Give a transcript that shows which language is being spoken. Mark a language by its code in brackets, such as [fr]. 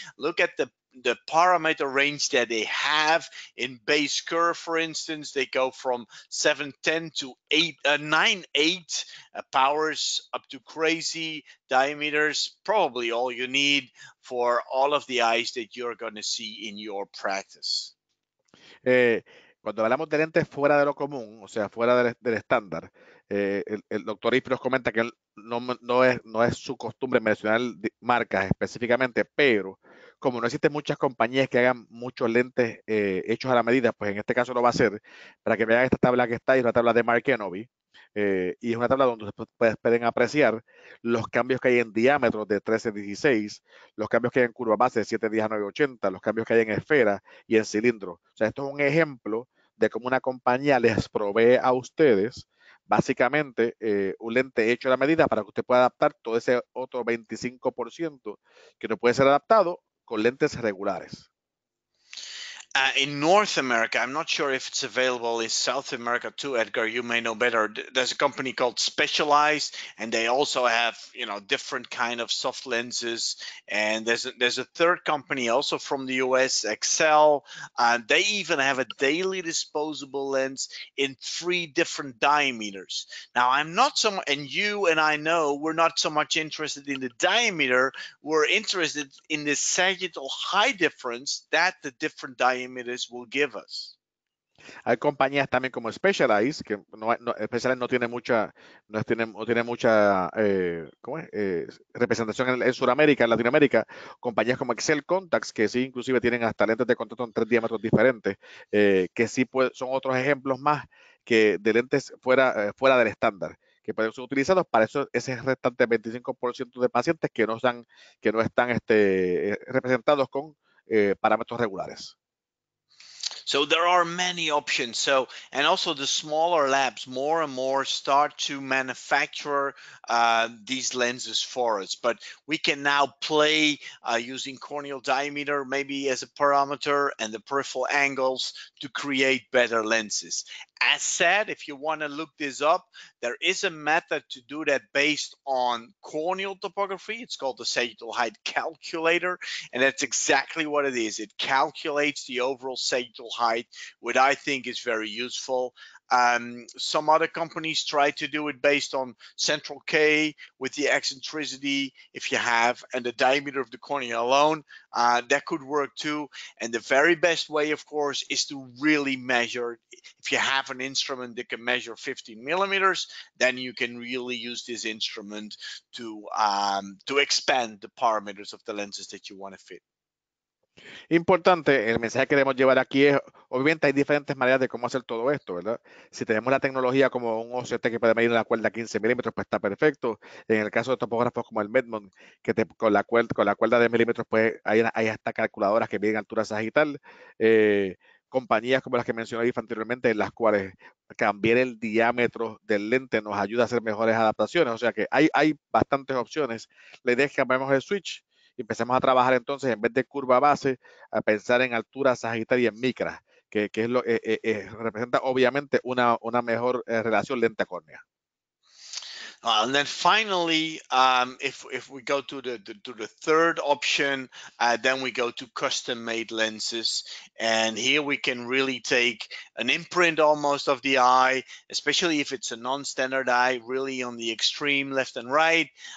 [en] Look at the parameter range that they have in base curve, for instance. They go from 710 to 98 powers up to crazy diameters, probably all you need for all of the eyes that you're going to see in your practice. [es] Cuando hablamos de lentes fuera de lo común, o sea, fuera del estándar, el doctor Eef nos comenta que no es su costumbre mencionar marcas específicamente, pero como no existen muchas compañías que hagan muchos lentes hechos a la medida, pues en este caso lo va a hacer, para que vean esta tabla que está ahí, es una tabla de Mark Enevi, y es una tabla donde ustedes pueden apreciar los cambios que hay en diámetro de 13 a 16, los cambios que hay en curva base de 7 a 10 a 9 a 80, los cambios que hay en esfera y en cilindro. O sea, esto es un ejemplo de cómo una compañía les provee a ustedes básicamente un lente hecho a la medida para que usted pueda adaptar todo ese otro 25% que no puede ser adaptado con lentes regulares. [en] In North America, I'm not sure if it's available in South America too, Edgar. You may know better. There's a company called Specialized, and they also have, you know, different kind of soft lenses. And there's a third company also from the US, Excel. They even have a daily disposable lens in three different diameters. Now, I'm not so much, and you and I know, we're not so much interested in the diameter. We're interested in the sagittal height difference that the different diameters will give us. [es] Hay compañías también como Specialized, que Specialized no tiene mucha, representación en Sudamérica, en Latinoamérica. Compañías como Excel Contacts, que sí, inclusive tienen hasta lentes de contacto en tres diámetros diferentes, que sí puede, son otros ejemplos más que de lentes fuera del estándar, que pueden ser utilizados para eso, ese restante 25% de pacientes que no están representados con parámetros regulares. [en] So there are many options. So, and also the smaller labs more and more start to manufacture these lenses for us. But we can now play using corneal diameter maybe as a parameter and the peripheral angles to create better lenses. As said, if you want to look this up, there is a method to do that based on corneal topography. It's called the sagittal height calculator, and that's exactly what it is. It calculates the overall sagittal height, which I think is very useful. Some other companies try to do it based on central K with the eccentricity, if you have, and the diameter of the cornea alone. That could work too. And the very best way, of course, is to really measure. If you have an instrument that can measure 15 millimeters, then you can really use this instrument to expand the parameters of the lenses that you want to fit. [es] Importante, el mensaje que debemos llevar aquí es, obviamente hay diferentes maneras de cómo hacer todo esto, ¿verdad? Si tenemos la tecnología como un OCT que puede medir una cuerda 15 milímetros, pues está perfecto. En el caso de topógrafos como el Medmon, que con la cuerda de milímetros, pues hay hasta calculadoras que miden altura sagital. Compañías como las que mencioné anteriormente, en las cuales cambiar el diámetro del lente nos ayuda a hacer mejores adaptaciones. O sea que hay bastantes opciones. La idea es que cambiemos el switch. Empecemos a trabajar entonces, en vez de curva base, a pensar en altura sagital y en micra, que es lo que representa obviamente una mejor relación lente córnea. [en] And then finally, if we go to the third option, then we go to custom made lenses. And here we can really take an imprint almost of the eye, especially if it's a non-standard eye, really on the extreme left and right.